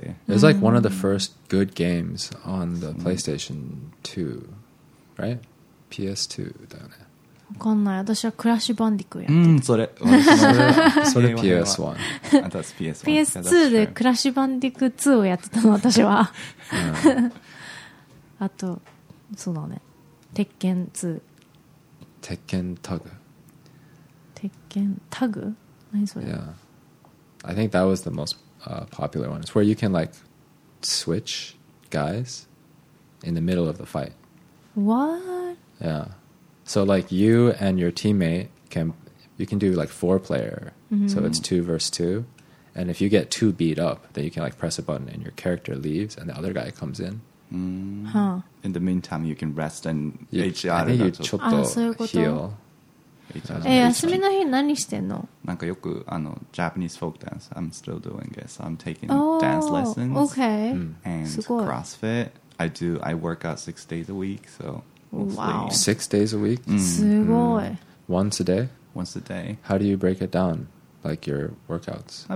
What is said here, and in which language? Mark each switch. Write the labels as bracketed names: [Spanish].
[English] It was like one of the first good games on the PlayStation 2, right? [Japanese] PS2 だよね。わかんない、私はクラッシュバンディクやって、うん、それそれ PS1 PS2 でクラッシュバンディク2をやってたの私は、うん、あとそうだね、鉄拳2、鉄拳タグ、鉄拳タグ、何それ、 [English] Yeah I think that was the most、popular one. It's where you can like switch guys in the middle of the fight. What? YeahSo like you and your teammate can, you can do like four player,、 mm-hmm. so it's 2v2, and if you get two beat up, then you can like press a button and your character leaves and the other guy comes in.、 Mm. Huh. In the meantime, you can rest and you, [Japanese] HR だと。あ、そういうこと。ちょっと heal。え、休みの日何してんの？なんかよくあの [English] Japanese folk dance, I'm still doing it, so I'm taking、oh, dance lessons. Okay. And CrossFit, I work out 6 days a week, so. Wow. 6 days a week? Mm-hmm. Once a day? Once a day. How do you break it down? Like your workouts?